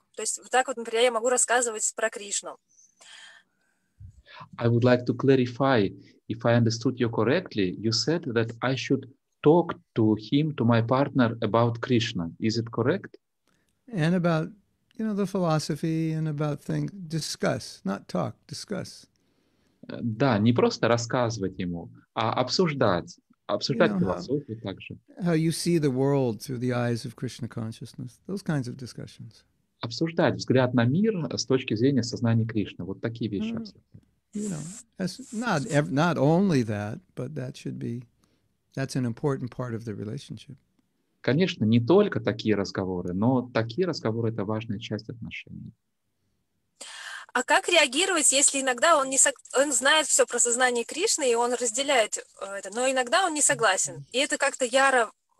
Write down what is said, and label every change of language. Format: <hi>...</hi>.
<ru>То есть вот так вот, например, я могу рассказывать про Кришну.</ru> <en>I would like to clarify, if I understood you correctly, you said that I should talk to him, to my partner, about Krishna. Is it correct? And about, you know, the philosophy and about things. Discuss, not talk, discuss.</en> <ru>Да, не просто рассказывать ему, а обсуждать философию также.</ru> <en>How you see the world through the eyes of Krishna consciousness, those kinds of discussions.</en> <ru>Обсуждать взгляд на мир с точки зрения сознания Кришны, вот такие вещи.</ru> <en>You know, not only that, but that's an important part of the relationship.</en> <ru>Конечно, не только такие разговоры, но такие разговоры это важная часть отношений. А как реагировать, если иногда он знает все про сознание Кришны, и он разделяет это, но иногда он не согласен? И это как-то яро</ru>